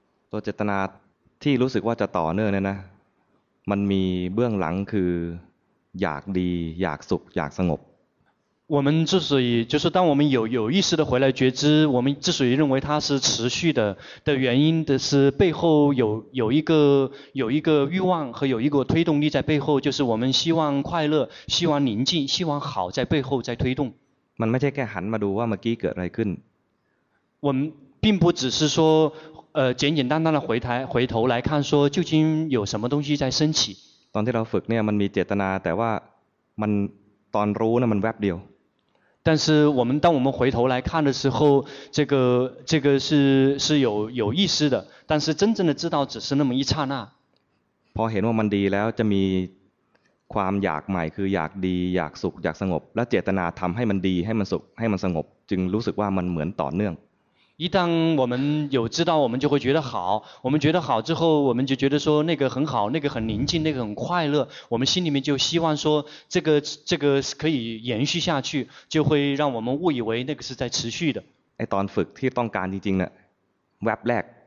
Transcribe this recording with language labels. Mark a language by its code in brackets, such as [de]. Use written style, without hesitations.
[th] ตัวเจตนาที่รู้สึกว่าจะต่อเนื่องเนี่ยนะมันมีเบื้องหลังคืออยากดีอยากสุขอยากสงบ [zh] 我们之所以就是当我们有意识的回来觉知，我们之所以认为它是持续的原因的是背后有一个欲望和有一个推动力在背后，就是我们希望快乐，希望宁静，希望好在背后在推动。 [th] มันไม่ใช่แค่หันมาดูว่าเมื่อกี้เกิดอะไรขึ้น。 [zh] 我们并不只是说简简单单的回头来看说究竟有什么东西在升起。 [th] ตอนที่เราฝึกเนี่ยมันมีเจตนาแต่ว่ามันตอนรู้นะมันแวบเดียว [zh] 但是我们当我们回头来看的时候这个是有意思的但是真正的知道只是那么一刹那 [th] พอเห็นว่ามันดีแล้วจะมีความอยากใหม่คืออยากดีอยากสุขอยากสงบและเจตนาทำให้มันดีให้มันสุขให้มันสงบจึงรู้สึกว่ามันเหมือนต่อเนื่อง [zh] i旦我们有知道我们就会觉得好我们觉得好之后我们就觉得说那个很好那个很宁静那个很快乐我们心里面就希望说这个可以延续下去就会让我们误以为那个是在持续的 [th] ไอ้ตอนฝึกที่ต้องการจริงๆ น่ะ แวบแรก